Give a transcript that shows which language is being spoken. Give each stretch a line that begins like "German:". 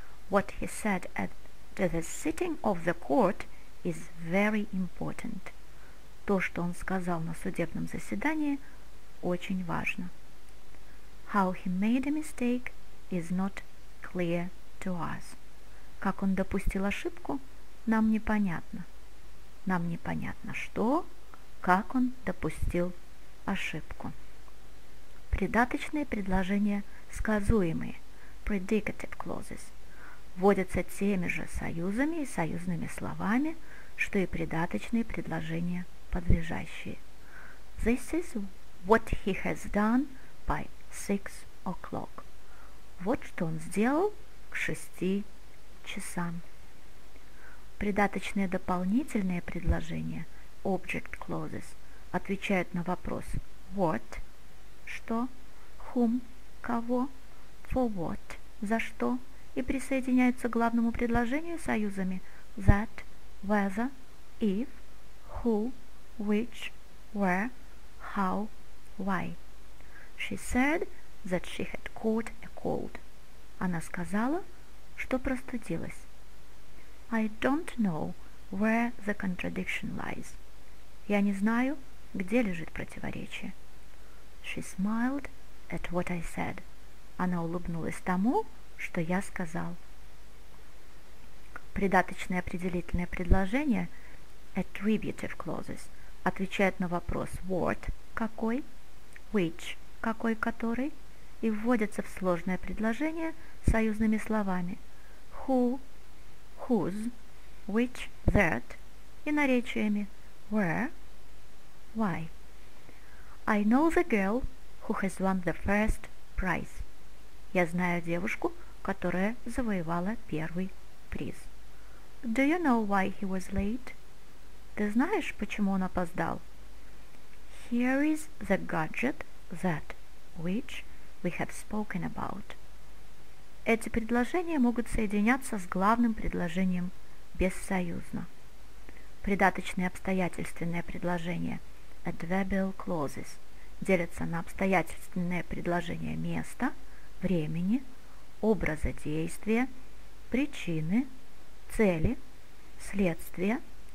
English: What he said at the sitting of the court is very important.
Russian: То, что он сказал на судебном заседании, очень важно.
English: How he made a mistake is not clear to us.
Russian: Как он допустил ошибку, нам непонятно. Нам непонятно, что, как он допустил ошибку. Придаточные предложения сказуемые,
English: predicative clauses,
Russian: вводятся теми же союзами и союзными словами, что и придаточные предложения подлежащие.
English: This is what he has done by 6 o'clock.
Russian: Вот что он сделал к 6 часам. Придаточные дополнительные предложения,
English: object clauses,
Russian: отвечают на вопрос what, что, whom, кого,
English: for what,
Russian: за что, и присоединяются к главному предложению союзами
English: that, whether, if, who, which, where, how, why. She said that she had caught a cold.
Russian: Она сказала, что простудилась.
English: I don't know where the contradiction lies.
Russian: Я не знаю, где лежит противоречие.
English: She smiled at what I said.
Russian: Она улыбнулась тому, что я сказал. Придаточные определительные предложения,
English: attributive clauses,
Russian: отвечают на вопрос what, какой, which, какой, который, и вводятся в сложное предложение союзными словами
English: who, whose, which, that,
Russian: и наречиями
English: where, why. I know the girl who has won the first prize.
Russian: Я знаю девушку, которая завоевала первый приз.
English: Do you know why he was late?
Russian: Ты знаешь, почему он опоздал?
English: Here is the gadget that, which we have spoken about.
Russian: Эти предложения могут соединяться с главным предложением бессоюзно. Придаточные обстоятельственные предложения –
English: adverbial clauses
Russian: – делятся на обстоятельственные предложения места, времени, образа действия, причины, цели, следствия –